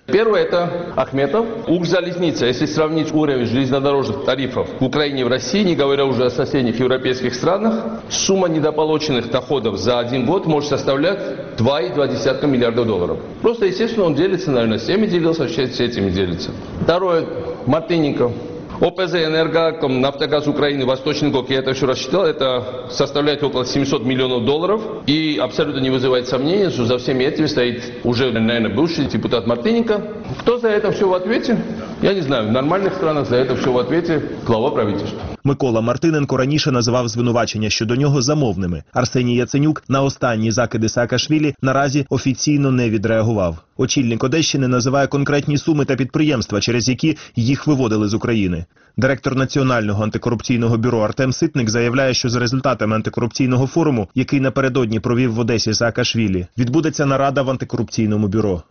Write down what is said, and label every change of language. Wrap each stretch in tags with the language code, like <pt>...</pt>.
<uk>Перше – це Ахметов, Укрзалізниця. Якщо порівняти рівень залізничних тарифів в Україні і в Росії,</uk> <ru>не говоря</ru> <uk>вже о сусідніх європейських країнах, сума недополучених доходів за один рік може складати 2,2 мільярда доларів. Просто, звісно, він ділиться, мабуть, з цими ділився, з цими ділиться. Друге – Мартиненко.</uk> <ru>ОПЗ «Энерго», «Нафтогаз Украины», «Восточникок», я это все рассчитал, это составляет около 700 миллионов долларов. И абсолютно не вызывает сомнений, что за всеми этими стоит уже, наверное, бывший депутат Мартыненко. Кто за это все в ответе? Я не знаю, в нормальных странах за это все в ответе глава правительства.</ru> <uk>Микола Мартиненко раніше називав звинувачення щодо нього замовними. Арсеній Яценюк на останні закиди Саакашвілі наразі офіційно не відреагував. Очільник Одещини називає конкретні суми та підприємства, через які їх виводили з України. Директор Національного антикорупційного бюро Артем Ситник заявляє, що за результатами антикорупційного форуму, який напередодні провів в Одесі Саакашвілі, відбудеться нарада в антикорупційному бюро.</uk>